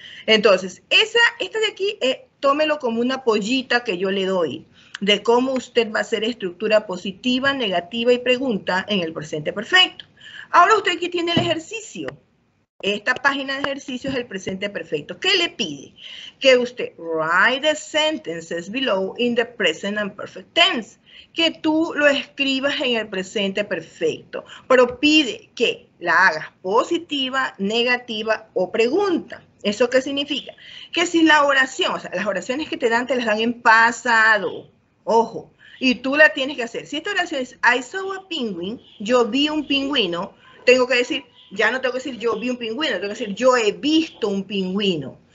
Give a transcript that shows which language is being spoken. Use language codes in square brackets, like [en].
[es] Entonces, esta de aquí, tómelo como una pollita que yo le doy de cómo usted va a hacer estructura positiva, negativa y pregunta en el presente perfecto. Ahora usted aquí tiene el ejercicio. Esta página de ejercicio es el presente perfecto. ¿Qué le pide? Que usted [en] write the sentences below in the present and perfect tense. [es] Que tú lo escribas en el presente perfecto. Pero pide que la hagas positiva, negativa o pregunta. ¿Eso qué significa? Que si la oración, o sea, las oraciones que te dan te las dan en pasado. Ojo. Y tú la tienes que hacer. Si esta oración es [en] I saw a penguin, [es] yo vi un pingüino, tengo que decir, ya no tengo que decir yo vi un pingüino, tengo que decir yo he visto un pingüino.